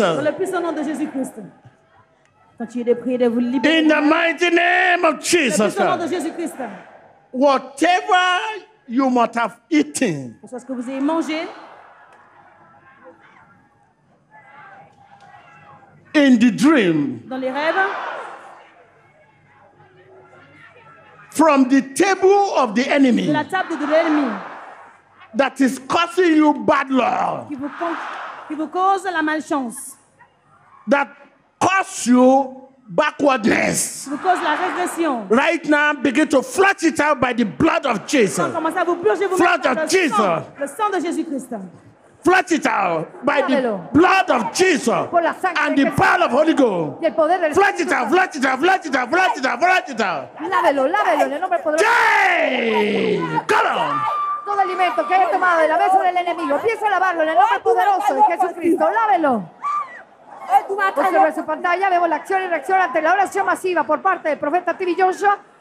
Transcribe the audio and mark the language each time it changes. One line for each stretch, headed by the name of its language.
French: Dans le puissant nom de Jésus Christ. Continuez de prier de vous libérer.
English: In the mighty name of Jesus.
French: Dans le puissant nom de Jésus Christ.
English: Whatever you must have eaten.
French: Parce que vous avez mangé.
English: In the dream.
French: Dans les rêves.
English: From the table of the enemy.
French: De la table de l'ennemi.
English: That is causing you bad luck.
French: Qui vous cause la malchance.
English: That causes you backwardness. Because
French: la régression.
English: Right now, begin to flush it out by the blood of Jesus. Flush of Jesus.
French: Le sang de Jésus Christ.
English: Flush it out by the blood of Jesus and the power of Holy Ghost. Flush it out. Flush it out. Flush it out. Flush it out. Flush it out.
Spanish: Lávelo, lávelo, en el nombre poderoso.
English: Jay, come on.
Spanish: Todo alimento que haya tomado de la mesa del enemigo, empieza a lavarlo en el nombre poderoso de Jesucristo. Lávelo. Observe su pantalla, vemos la acción y reacción ante la oración masiva por parte del profeta TV Joshua.